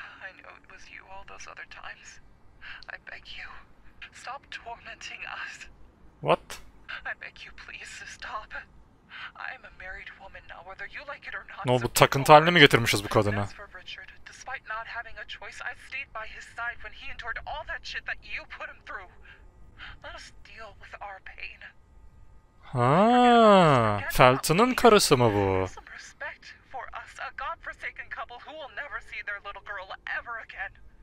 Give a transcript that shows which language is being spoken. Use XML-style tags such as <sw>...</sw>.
<en>I know it was you all those other times. I beg you, stop tormenting us. What? I beg you please stop. I am a married woman now, whether you like it or not.</en> <tr>Ne oldu, takıntı haline mi getirmişiz bu kadını?</tr> <en>Despite not having a choice, I stayed by his side when he endured all that shit that you put him through. Let us deal with our pain.</en> <tr>Ha, Felton'ın karısı mı bu?</tr> <en>Some respect for us, a godforsaken couple who will never see their little girl ever again.</en>